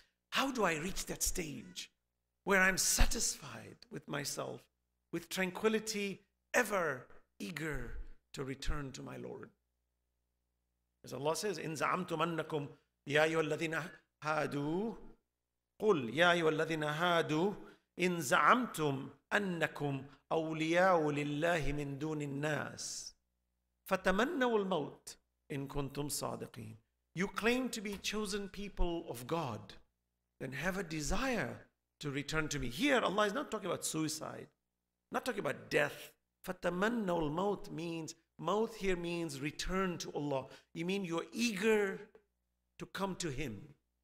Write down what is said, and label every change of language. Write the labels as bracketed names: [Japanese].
[English] How do I reach that stage where I'm satisfied with myself, with tranquility, ever eager to return to my Lord? As Allah says, [Arabic] إِنْ زَعَمْتُمْ أَنَّكُمْ يَا أَيُّهَا الَّذِينَ هَادُوا قُلْ يَا أَيُّهَا الَّذِينَ هَادُوا إِنْ زَعَمْتُمْ أَنَّكُمْ أَوْلِيَاءُ لِلَّهِ مِنْ دُونِ النَّاسِ فَتَمَنَّوا الْمَوْتِ إِنْ كُنْتُمْ صَادِقِينَ. [English] You claim to be chosen people of God, then have a desire to return to me. Here, Allah is not talking about suicide, not talking about death. [Arabic] فَتَمَنَّوا الْمَوْتِ [English] means, mouth here means return to Allah. You mean you're eager to come to Him.